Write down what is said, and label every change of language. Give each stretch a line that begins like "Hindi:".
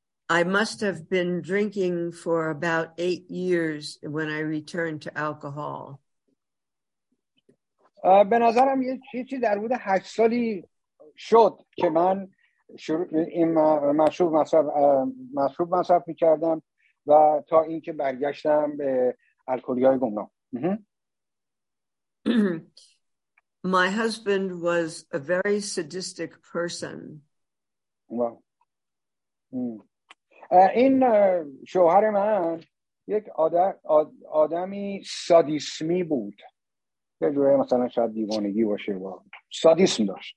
English: I must have been drinking for about 8 years when I returned to alcohol.
Persian: به نظرم یه چیزی در حدود 8 سالی شد که من شروع این مشروب مصرف می‌کردم و تا اینکه برگشتم به الکلی‌های گمنام.
English: My husband was a very sadistic person. Wow.
Persian: این شوهر من یک آدمی سادیسمی بود. یه جوری مثلا شاید دیوانگی باشه، سادیسم داشت.